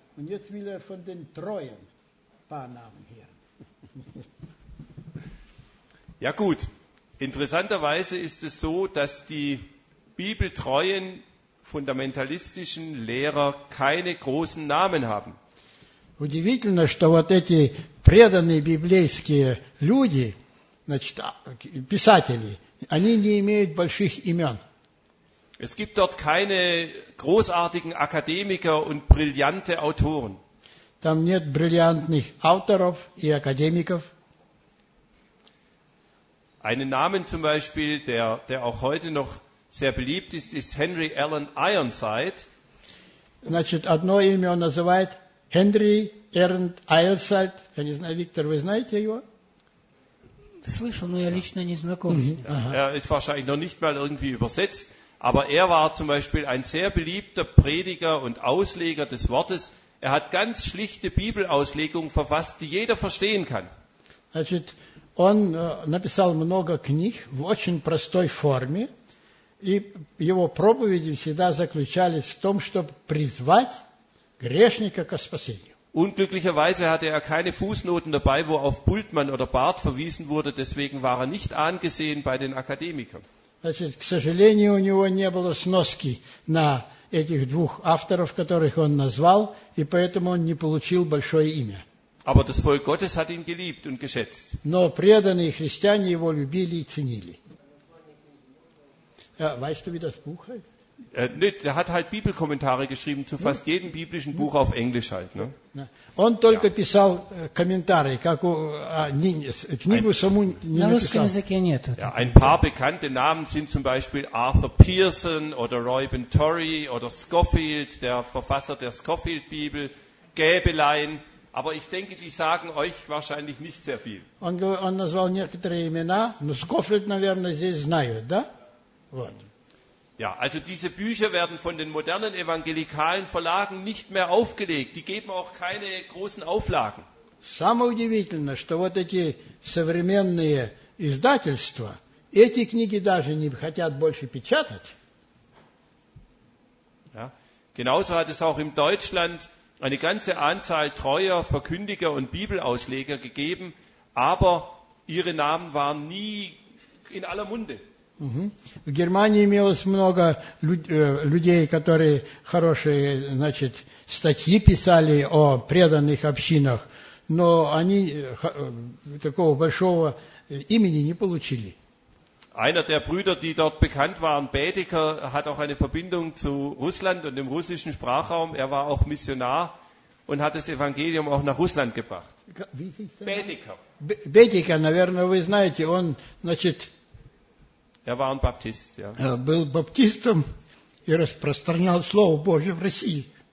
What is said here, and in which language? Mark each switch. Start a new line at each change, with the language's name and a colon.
German: Und jetzt will er von den Treuen ein paar Namen hören. Ja gut, interessanterweise ist es so, dass die bibeltreuen fundamentalistischen Lehrer keine großen Namen haben.
Russian: Удивительно, что вот эти преданные библейские люди, значит, писатели, они не имеют больших имен.
German: Es gibt dort keine großartigen Akademiker und brillante Autoren.
Russian: Там нет бриллиантных авторов и академиков.
German: Einen Namen zum Beispiel, der auch heute noch sehr beliebt ist, ist Henry Allen Ironside.
Russian: Значит, одно имя он называет Henry Allen Ironside. Я не знаю, Виктор, вы знаете его? Ты слышал, но я лично не знаком с ним.
German: Er ist wahrscheinlich noch nicht mal irgendwie übersetzt. Aber er war zum Beispiel ein sehr beliebter Prediger und Ausleger des Wortes. Er hat ganz schlichte Bibelauslegungen verfasst, die jeder verstehen kann.
Russian: Значит, он написал много книг в очень простой форме, И его проповеди всегда заключались в том, чтобы призвать грешника к спасению.
German: Unglücklicherweise hatte er keine Fußnoten dabei, wo auf Bultmann oder Barth verwiesen wurde, deswegen war er nicht angesehen bei den Akademikern.
Russian: Значит, к сожалению, у него не было сноски на этих двух авторов, которых он назвал, и поэтому он не получил большое имя.
German: Aber das Volk Gottes hat ihn geliebt und geschätzt.
Russian: Но преданные христиане его любили и ценили.
German: Ja, weißt du, wie das Buch heißt? Er hat halt Bibelkommentare geschrieben zu fast jedem biblischen Buch auf Englisch halt. Ne?
Russian: Он только писал комментарии, как у, а, не, книгу
German: ein,
Russian: саму не на русском языке нет.
German: Ja, ein paar bekannte Namen sind zum Beispiel Arthur Pearson oder Roy Venturi oder Scofield, der Verfasser der Scofield-Bibel, Gäbelein. Aber ich denke, die sagen euch wahrscheinlich nicht sehr viel.
Russian: Он назвал некоторые имена, но Scofield, наверное, здесь знают, да? Вот.
German: Ja, also diese Bücher werden von den modernen evangelikalen Verlagen nicht mehr aufgelegt. Die geben auch keine großen Auflagen.
Russian: Самое удивительное, что вот эти современные издательства эти книги даже не хотят больше печатать.
German: Ja, genauso hat es auch in Deutschland eine ganze Anzahl treuer Verkündiger und Bibelausleger gegeben, aber ihre Namen waren nie in aller Munde.
Russian: В Германии имелось много людей, которые хорошие, значит, статьи писали о преданных общинах, но они такого большого имени не получили.
German: Einer der Brüder, die dort bekannt waren, Baedeker, hat auch eine Verbindung zu Russland und dem russischen Sprachraum. Er war auch Missionar und hat das Evangelium auch nach Russland gebracht. Baedeker.
Russian: Baedeker, наверное, вы знаете, он, значит,
German: Er war ein Baptist, ja. Er
Russian: был баптистом и распространял Слово Божие в России.